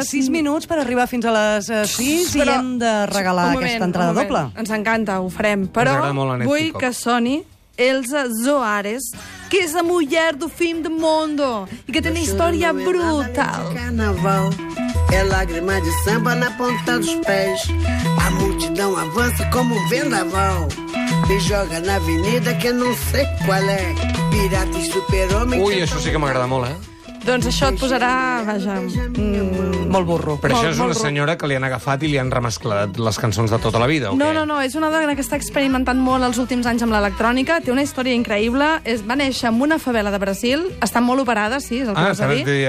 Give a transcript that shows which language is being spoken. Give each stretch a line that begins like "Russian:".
Catalan: 6 minuts per arribar fins a les 6 i hem de regalar aquesta entrada doble. Ens encanta, ho farem. Però vull que soni Elsa Soares, que és la muller del film del Mundo i que té una història brutal.
Portuguese: Carnaval. É lágrima de samba na ponta dos pés. A multidão avança como um vendaval. Me joga na avenida que não sei qual é. Pirata e super-homem.
Catalan: Ui, això sí que m'agrada molt, eh? Doncs això et posarà, vaja, molt burro. Però això és una senyora que li han agafat i li han remesclat les cançons de tota la vida, o no, què? No, no, és una dona que està experimentant molt els últims anys amb l'electrònica, té una història increïble, va néixer en una favela de Brasil, està molt operada, sí, és el que vas dir.